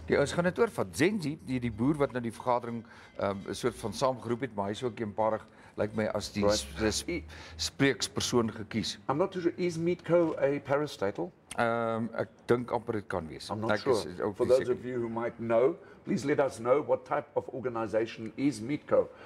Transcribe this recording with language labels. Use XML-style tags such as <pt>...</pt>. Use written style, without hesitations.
<af>Ja, ons gaan dit oorvat. Zenzi, die boer wat nou die vergadering soort van saamgeroep het, maar hy is ook eenparig, lyk my, as die spreekspersoon gekies.</af> <en>I'm not too sure, is Meatco a parastatal?</en> <af>Ek dink amper dit kan wees.</af> <en>I'm not sure. For those of you who might know, please let us know what type of organization is Meatco.</en>